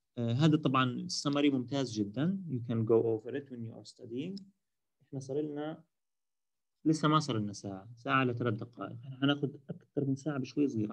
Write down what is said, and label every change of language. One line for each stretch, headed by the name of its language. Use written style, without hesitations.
Arabic: هذا طبعا السمري ممتاز جدا.
English: You can go over it when you are studying.
Arabic: احنا صار لنا لسه ما صار لنا ساعة. ساعة لثلاث دقائق. احنا هناخد أكثر من ساعة بشوي صغير.